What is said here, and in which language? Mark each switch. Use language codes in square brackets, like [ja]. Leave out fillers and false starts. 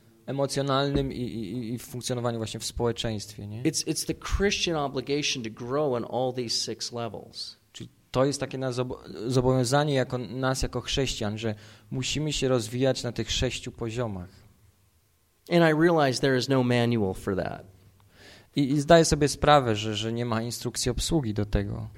[pl] Emocjonalnym i w funkcjonowaniu właśnie w społeczeństwie, nie? [en] It's the Christian obligation to grow in all these six levels. [pl] Czyli to jest takie nas zobowiązanie jako nas jako chrześcijan, że musimy się rozwijać na tych sześciu poziomach. [en] And I realize there is no manual for that. [pl] I zdaję sobie sprawę, że nie ma instrukcji obsługi do tego.